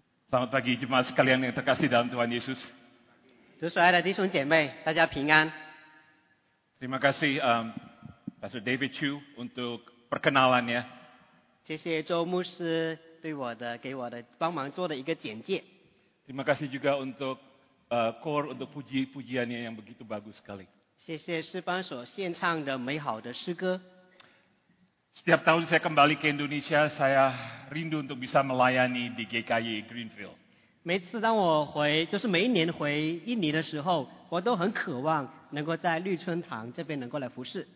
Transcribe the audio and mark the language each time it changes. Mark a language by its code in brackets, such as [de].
[id] Selamat pagi jemaat sekalian yang terkasih dalam Tuhan Yesus. [zh] 主所爱的弟兄姐妹，大家平安。 [id] Terima kasih Pastor David Chu untuk perkenalannya. [zh] 谢谢周牧师给我的帮忙做的一个简介。 [id] Terima kasih juga untuk core untuk pujiannya yang begitu bagus sekali. [zh] 谢谢诗班所献唱的美好的诗歌。 [id] Setiap tahun saya kembali ke Indonesia, saya rindu untuk bisa melayani di GKY Greenfield. [zh] 每次当我回，就是每一年回印尼的时候。我都很渴望能够在绿春堂这边能够来服侍。